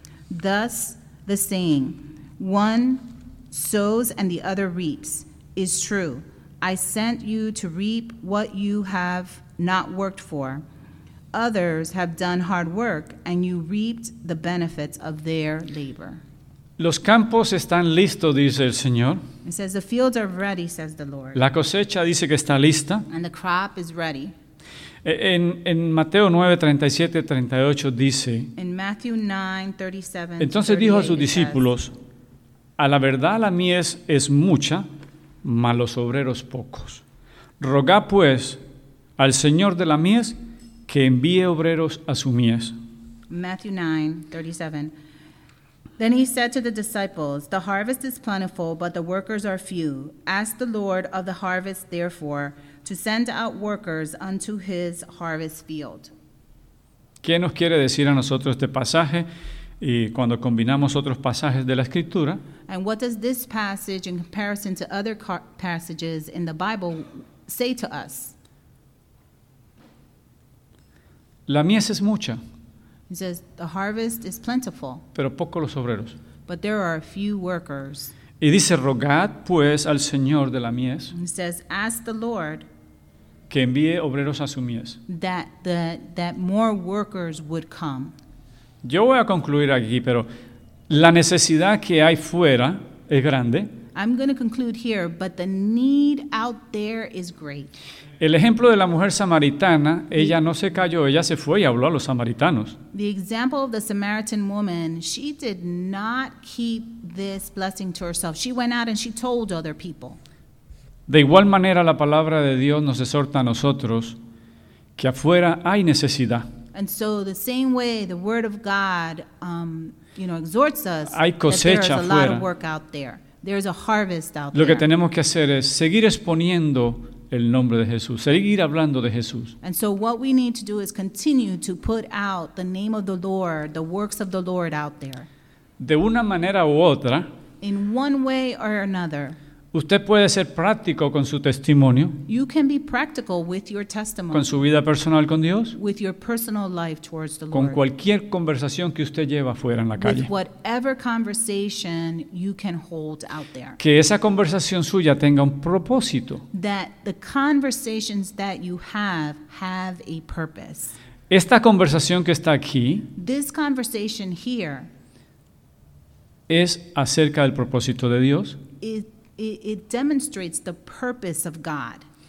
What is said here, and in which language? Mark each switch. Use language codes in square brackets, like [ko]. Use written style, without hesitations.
[en] Thus the saying, one sows and the other reaps, is true. I sent you to reap what you have not worked for. Others have done hard work, and you reaped the benefits of their labor. [es] Los campos están listos, dice el Señor. [en] It says, the fields are ready, says the Lord. [es] La cosecha dice que está lista. [en] And the crop is ready. [es] En Mateo 9:37-38 dice, [en] in Matthew 9:37, [es] entonces dijo a sus discípulos, a la verdad la mies es mucha, mas los obreros pocos. Rogad pues al Señor de la mies que envíe obreros a su mies. [en] Matthew 9:37. Then he said to the disciples, the harvest is plentiful, but the workers are few. Ask the Lord of the harvest, therefore, to send out workers unto his harvest field. [es] ¿Qué nos quiere decir a nosotros este pasaje? Y cuando combinamos otros pasajes de la Escritura. [en] And what does this passage in comparison to other passages in the Bible say to us? [es] La mies es mucha. [en] He says, the harvest is plentiful. [es] Pero pocos los obreros. [en] But there are few workers. [es] Y dice, rogad pues al Señor de la mies. [en] He says, ask the Lord. [es] Que envíe obreros a su mies. [en] That more workers would come. [es] Yo voy a concluir aquí, pero la necesidad que hay fuera es grande. [en] I'm going to conclude here, but the need out there is great. [es] El ejemplo de la mujer samaritana, ella no se calló, ella se fue y habló a los samaritanos. [en] The example of the Samaritan woman, she did not keep this blessing to herself. She went out and she told other people. [es] De igual manera, la palabra de Dios nos exhorta a nosotros que afuera hay necesidad. [en] And so the same way the word of God exhorts us, [es] hay cosecha [en] There is a lot of work out there. There is a harvest out there. [es] Lo que tenemos que hacer es seguir exponiendo el nombre de Jesús, seguir hablando de Jesús. [en] And so what we need to do is continue to put out the name of the Lord, the works of the Lord out there. [es] De una manera u otra, [en] in one way or another, [es] usted puede ser práctico con su testimonio. [en] You can be practical with your testimony. [es] Con su vida personal con Dios. [en] With your personal life towards the Lord. [es] Con cualquier conversación que usted lleva fuera en la calle. [en] With whatever conversation you can hold out there. [es] Que esa conversación suya tenga un propósito. [en] That the conversations that you have a purpose. [es] Esta conversación que está aquí. [en] This conversation here. [es] Es acerca del propósito de Dios. [en] It demonstrates the purpose of God.